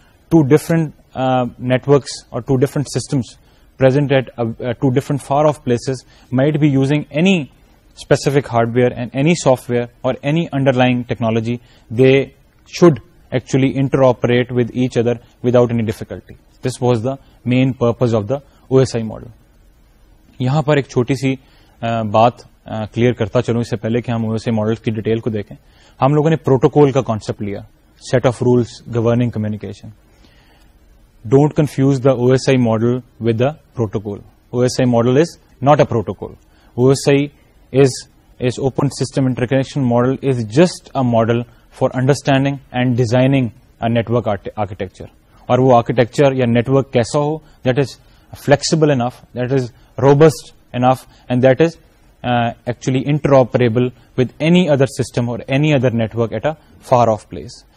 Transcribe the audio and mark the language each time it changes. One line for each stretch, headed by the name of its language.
English: Two different networks or two different systems present at two different far off places might be using any specific hardware and any software or any underlying technology, they should actually interoperate with each other without any difficulty. This was the main purpose of the OSI model.
Urdu: یہاں پر ایک چھوٹی سی بات clear کرتا چلوں اس سے پہلے کہ ہم OSI models کی ڈیٹیل کو دیکھیں. ہم لوگوں نے پروٹوکول کا کانسیپٹ لیا,
English: Set of rules governing communication. Don't confuse the OSI model with the protocol. OSI model is not a protocol. OSI is open system interconnection model is just a model for understanding and designing a network architecture.
Urdu: Aur wo architecture ya network kaisa ho,
English: that is flexible enough, that is robust enough, and that is actually interoperable with any other system or any other network at a far off place.